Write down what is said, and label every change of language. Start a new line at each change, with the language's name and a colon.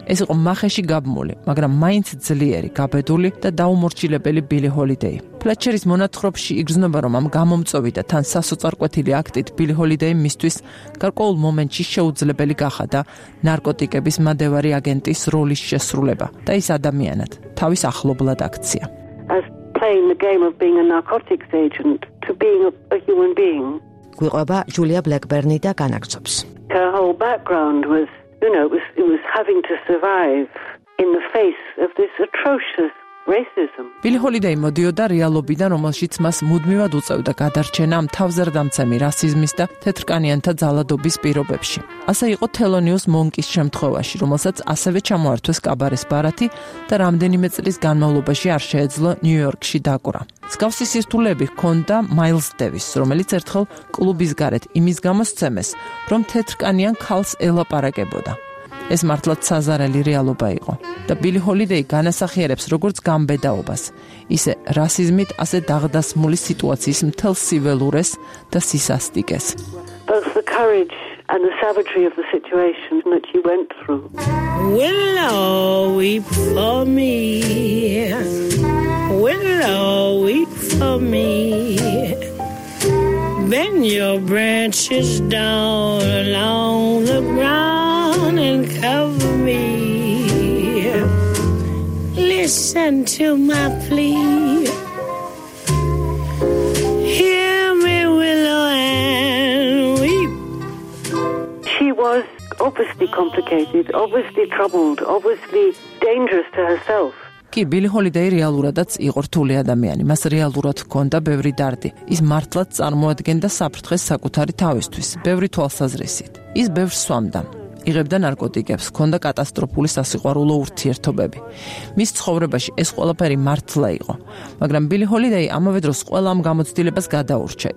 Georgian: ეს იყო მახეში გაბმული, მაგრამ მაინც ძლიერი, გაბედული და დაუმორჩილებელი ბილი ჰოლიდეი. ფლეტჩერის მონათხრობში იგრძნობა, რომ ამ გამომწვევი და თან სასოწარკვეთილი აქტით ბილი ჰოლიდეი მისთვის გარკვეულ მომენტში შეუძლებელი გახადა ნარკოტიკების მადევარი აგენტის როლის შესრულება და ის ადამიანად თავის ახლობლად აქცია.
English: As playing the game of being a narcotics agent to being a human being.
Georgian: გვიყვება ჯულია ბლეკბერნი და განაგცობს.
English: Her whole background was, you know, it was having to survive in the face of this atrocious racism.
Georgian: ბილი ჰოლიდეი მოდიოდა რეალობიდან, რომელშიც მას მუდმივად უწევდა გადარჩენა თავზარდამცემი რასიზმის და თეთრკანიანთა ძალადობის პირობებში. ასე იყო თელონიუს მონკის შემთხვევაში, რომელსაც ასევე ჩამოართვეს კაბარეს ბარათი და რამდენიმე წლის განმავლობაში არ შეეძლო ნიუ-იორკში დაკვრა. მსგავსი სირთულეები ჰქონდა მაილს დევისს, რომელიც ერთხელ კლუბის გარეთ იმის გამო სცემეს, რომ თეთრკანიან ქალს ელაპარაკებოდა. ეს მართლაც საზარელი რეალობა იყო და ბილი ჰოლიდეი განასახიერებს როგორც გამბედაობას, ისე რასიზმით ასე დაღდასმული სიტუაციის მთელ სიველურეს და სისასტიკეს.
English: Both the courage and the savagery of the situation that you went through. Willow weep for me. Willow weep for me. Bend your branches down along the ground and cover me. Listen to my plea. Hear me, willow, and weep. She was obviously complicated, obviously troubled, obviously dangerous to herself.
Georgian: კი, ბილი ჰოლიდეი რეალურადაც იყო რთული ადამიანი. მას რეალურად ჰქონდა ბევრი დარდი. ის მართლაც წარმოადგენდა საფრთხეს საკუთარი თავისთვის, ბევრი თვალსაზრისით. ის ბევრს სვამდა, იღებდა ნარკოტიკებს, ჰქონდა კატასტროფული სასიყვარულო ურთიერთობები. მის ცხოვრებაში ეს ყველაფერი მართლა იყო, მაგრამ ბილი ჰოლიდეი ამავე დროს ყველა ამ გამოცდილებას გადაურჩა.